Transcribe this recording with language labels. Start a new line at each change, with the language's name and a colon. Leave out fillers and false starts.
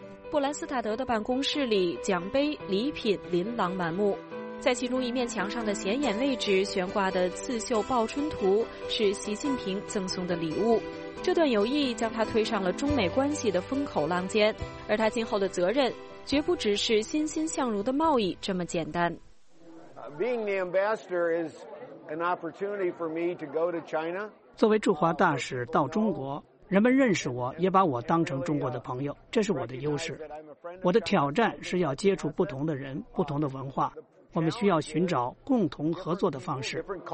Chinese: 布兰斯塔德的办公室里奖杯礼品琳琅满目，在其中一面墙上的显眼位置悬挂的刺绣报春图是习近平赠送的礼物，这段友谊将他推上了中美关系的风口浪尖，而他今后的责任绝不只是欣欣向荣的贸易这么简单。
English: Being the ambassador is an opportunity for me to go to China.
Chinese: 作为驻华大使到中国，人们认识我，也把我当成中国的朋友，这是我的优势。我的挑战是要接触不同的人，不同的文化，我们需要寻找共同合作的方式。